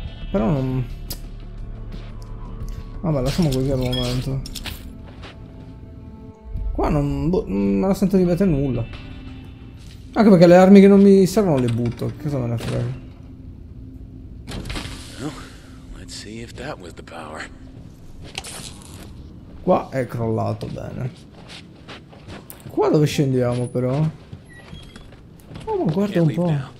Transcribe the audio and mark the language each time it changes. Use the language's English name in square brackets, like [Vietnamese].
[Italian] Però non. Vabbè, lasciamo così al momento. Qua non, me la sento di mettere nulla. Anche perché le armi che non mi servono le butto. Che cosa me ne frega? [English] Let's see if that was the power. [Italian] Qua è crollato bene. Qua dove scendiamo però? Oh, ma guarda un po'.